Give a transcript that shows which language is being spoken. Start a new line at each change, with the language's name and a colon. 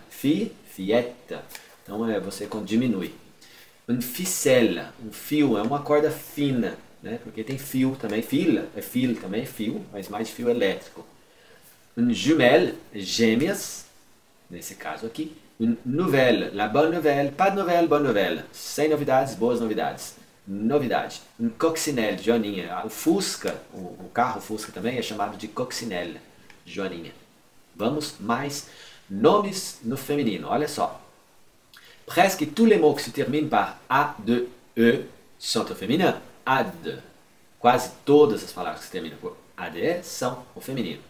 Portuguese: Fille, fillette. Então, é você quando diminui. Une ficelle, um fio, é uma corda fina. Né? Porque tem fio também, fila, é fio também, é fio, mas mais fio elétrico. Une jumelle, gêmeas, nesse caso aqui.
French: Une nouvelle, la bonne nouvelle, pas de nouvelle, bonne nouvelle.
Portuguese: Sem novidades, boas novidades. Novidade. Une coccinelle, joaninha. O Fusca, o carro Fusca também é chamado de coccinelle, joaninha. Vamos mais nomes no feminino, olha só.
French: Presque tous les mots que se terminent par A, de E, sont au féminin. Ad.
Portuguese: Quase todas as palavras que se terminam por AD são o feminino.